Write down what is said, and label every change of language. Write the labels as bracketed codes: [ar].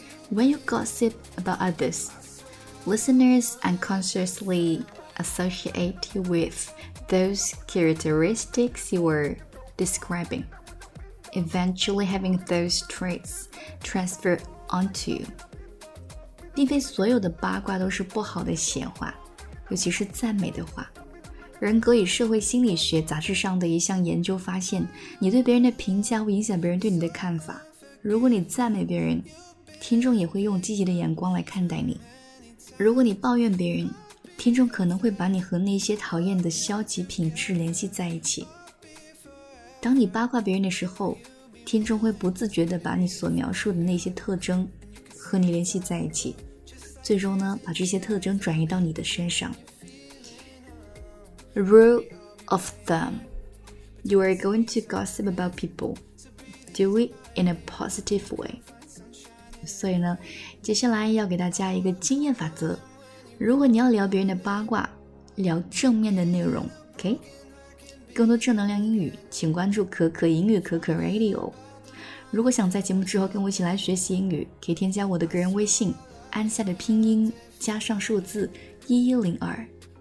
[en] When you gossip about others, listeners unconsciously associate you withthose characteristics you were describing, eventually having those traits transfer onto you. [zh] 并非所有的八卦都是不好的闲话，尤其是赞美的话。人格与社会心理学杂志上的一项研究发现，你对别人的评价会影响别人对你的看法。如果你赞美别人，听众也会用积极的眼光来看待你。如果你抱怨别人，听众可能会把你和那些讨厌的消极品质联系在一起。当你八卦别人的时候，听众会不自觉地把你所描述的那些特征和你联系在一起，最终呢，把这些特征转移到你的身上。 [en] Rule of thumb: You are going to gossip about people, do it in a positive way. [zh] 所以呢，接下来要给大家一个经验法则，如果你要聊别人的八卦，聊正面的内容 ，OK？更多正能量英语，请关注可可英语可可 Radio。如果想在节目之后跟我一起来学习英语，可以添加我的个人微信，安夏的拼音加上数字1102。